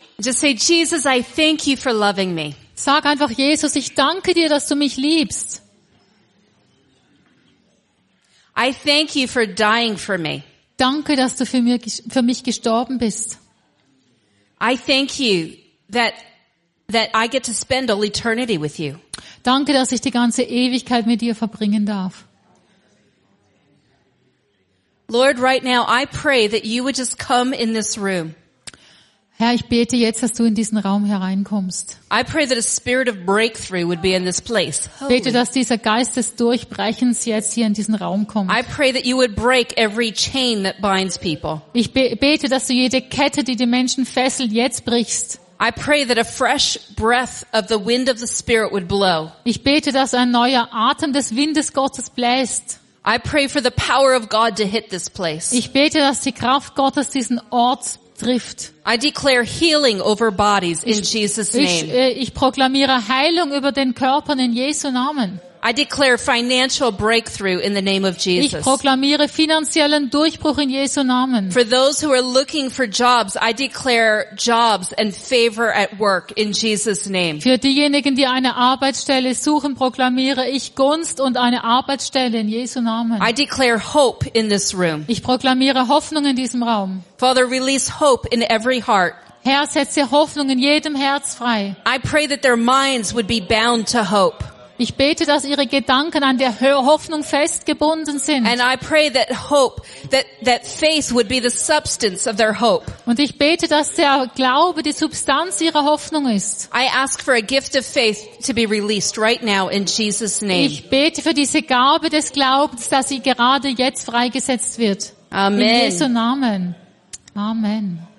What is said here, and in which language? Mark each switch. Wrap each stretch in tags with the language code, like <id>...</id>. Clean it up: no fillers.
<en>Just say, Jesus, I thank you for loving me.</en> <de>Sag einfach, Jesus, ich danke dir, dass du mich liebst.</de> <en>I thank you for dying for me.</en> <de>Danke, dass du für mich gestorben bist.</de> <en>I thank you that I get to spend all eternity with you.</en> <de>Danke, dass ich die ganze Ewigkeit mit dir verbringen darf.</de> <en>Lord, right now I pray that you would just come in this room.</en> <de>Herr, ich bete jetzt, dass du in diesen Raum hereinkommst.</de> <en>I pray that a spirit of breakthrough would be in this place.</en> <de>Ich bete, dass dieser Geist des Durchbrechens jetzt hier in diesen Raum kommt.</de> <en>I pray that you would break every chain that binds people.</en> <de>Ich bete, dass du jede Kette, die die Menschen fesselt, jetzt brichst.</de> <en>I pray that a fresh breath of the wind of the Spirit would blow.</en> <de>Ich bete, dass ein neuer Atem des Windes Gottes bläst.</de> <en>I pray for the power of God to hit this place.</en> <de>Ich bete, dass die Kraft Gottes diesen Ort trifft.</de> <en>I declare healing over bodies in Jesus' name.</en> <de>Ich proklamiere Heilung über den Körpern in Jesu Namen.</de> <en>I declare financial breakthrough in the name of Jesus.</en> <de>Ich proklamiere finanziellen Durchbruch in Jesu Namen.</de> <en>For those who are looking for jobs, I declare jobs and favor at work in Jesus' name.</en> <de>Für diejenigen, die eine Arbeitsstelle suchen, proklamiere ich Gunst und eine Arbeitsstelle in Jesu Namen.</de> <en>I declare hope in this room.</en> <de>Ich proklamiere Hoffnung in diesem Raum.</de> <en>Father, release hope in every heart.</en> <de>Herr, setze Hoffnung in jedem Herz frei.</de> <en>I pray that their minds would be bound to hope.</en> <de>Ich bete, dass ihre Gedanken an der Hoffnung festgebunden sind.</de> <en>And I pray that hope, that faith would be the substance of their hope.</en> <de>Und ich bete, dass der Glaube die Substanz ihrer Hoffnung ist.</de> <en>I ask for a gift of faith to be released right now in Jesus name.</en> <de>Ich bete für diese Gabe des Glaubens, dass sie gerade jetzt freigesetzt wird. Amen. In Jesu Namen. Amen.</de>